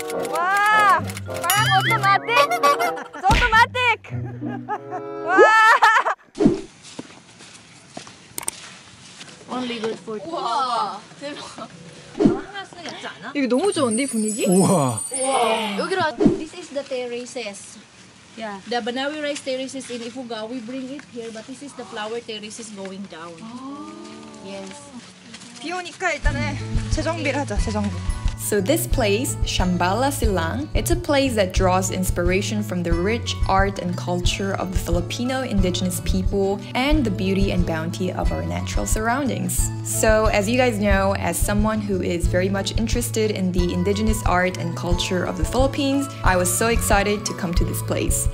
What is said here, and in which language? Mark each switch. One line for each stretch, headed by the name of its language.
Korean: 와, 빵 오토마틱, 오토마틱. 와.
English: Only good for.
Korean: 우와, 대박. 한가스 같지 않아? 이게 너무 좋은데 분위기? 우와. 여기로.
English: This is the terraces. Yeah. The banana rice terraces in Ifuga, we bring it here, but this is the flower terraces going down. Yes.
Korean: 비 오니까 일단은 세정비를 하자, 세정비.
English: So this place, Shambhala Silang, it's a place that draws inspiration from the rich art and culture of the Filipino indigenous people and the beauty and bounty of our natural surroundings. So as you guys know, as someone who is very much interested in the indigenous art and culture of the Philippines, I was so excited to come to this place.